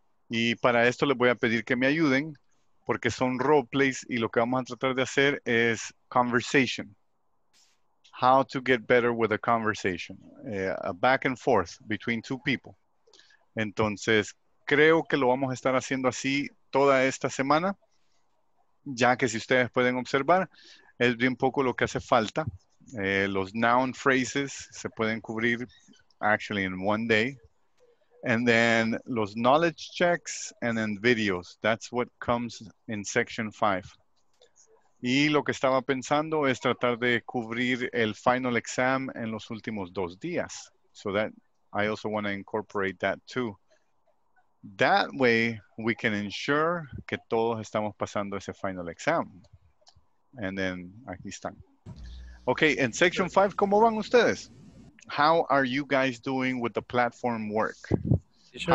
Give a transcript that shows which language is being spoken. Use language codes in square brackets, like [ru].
[es] Y para esto les voy a pedir que me ayuden porque son role plays y lo que vamos a tratar de hacer es conversation. [en] how to get better with a conversation, a back and forth between two people. [es] Entonces, creo que lo vamos a estar haciendo así toda esta semana, ya que si ustedes pueden observar, es bien poco lo que hace falta. [en] Los noun phrases [es] se pueden cubrir [en] actually in one day. And then [es] los [en] knowledge checks and then videos. That's what comes in section 5. [es] Y lo que estaba pensando es tratar de cubrir el final exam en los últimos dos días. [en] So that I also want to incorporate that too. That way we can ensure [es] que todos estamos pasando ese final exam. [en] And then [es] aquí están. [en] Okay, in section 5, [es] ¿cómo van ustedes? [en] How are you guys doing with the platform work? Sure.